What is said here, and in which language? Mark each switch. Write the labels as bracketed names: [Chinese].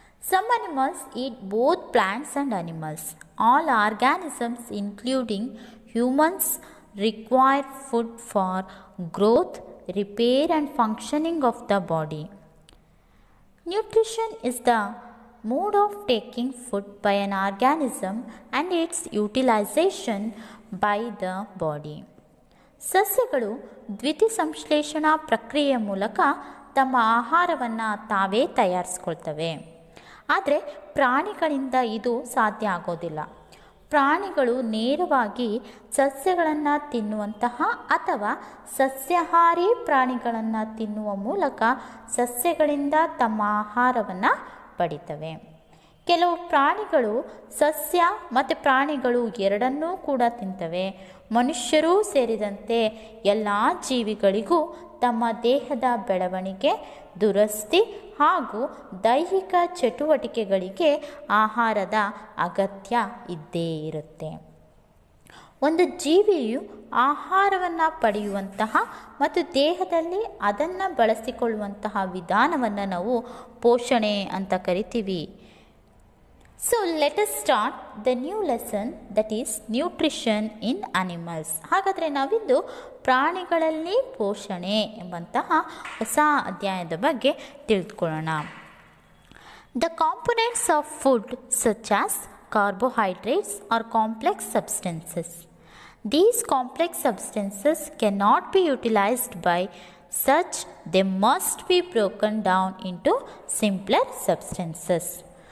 [English] Some animals eat both plants and animals. All organisms including humans require food for growth, repair and functioning of the body. Nutrition is the mode of taking food by an organism and its utilization by the body. [Kannada] ಸಸ್ಯಗಳು ದ್ಯುತಿ ಸಂಶ್ಲೇಷಣಾ ಪ್ರಕ್ರಿಯೆ ಮೂಲಕ ತಮ್ಮ ಆಹಾರವನ್ನು ತಾವೇ ತಯಾರಿಸ್ಕೊಳ್ತವೆ. ಆದರೆ ಪ್ರಾಣಿಗಳಿಂದ ಇದು ಸಾಧ್ಯ ಆಗೋದಿಲ್ಲ. ಪ್ರಾಣಿಗಳು ನೇರವಾಗಿ ಸಸ್ಯಗಳನ್ನು ತಿನ್ನುವಂತಹ ಅಥವಾ ಸಸ್ಯಹಾರಿ ಪ್ರಾಣಿಗಳನ್ನು ತಿನ್ನುವ ಮೂಲಕ ಸಸ್ಯಗಳಿಂದ ತಮ್ಮ ಆಹಾರವನ್ನು ಪಡಿತವೆ. ಕೆಲವು ಪ್ರಾಣಿಗಳು ಸಸ್ಯ ಮತ್ತು ಪ್ರಾಣಿಗಳು ಎರಡನ್ನೂ ಕೂಡ ತಿಂತವೆ. ಮನುಷ್ಯರೂ ಸೇರಿದಂತೆ ಎಲ್ಲ ಜೀವಿಗಳಿಗೂ ತಮ್ಮ ದೇಹದ ಬೆಳವಣಿಗೆ, ದುರಸ್ತಿ ಹಾಗೂ ದೈಹಿಕ ಚಟುವಟಿಕೆಗಳಿಗೆ ಆಹಾರದ ಅಗತ್ಯ ಇದ್ದೇ ಇರುತ್ತೆ. ಒಂದು ಜೀವಿಯು ಆಹಾರವನ್ನು ಪಡೆಯುವಂತಹ ಮತ್ತು ದೇಹದಲ್ಲಿ ಅದನ್ನು ಬಳಸಿಕೊಳ್ಳುವಂತಹ ವಿಧಾನವನ್ನು ನಾವು ಪೋಷಣೆ ಅಂತ ಕರಿತೀವಿ. [English] So let us start the new lesson, that is nutrition in animals. [Kannada] ಹಾಗಾದರೆ ನಾವಿಂದು ಪ್ರಾಣಿಗಳಲ್ಲಿ ಪೋಷಣೆ ಎಂಬಂತಹ ಹೊಸ ಅಧ್ಯಾಯದ ಬಗ್ಗೆ ತಿಳಿದುಕೊಳ್ಳೋಣ. [English] The components of food such as carbohydrates are complex substances. These complex substances cannot be utilized by such, they must be broken down into simpler substances.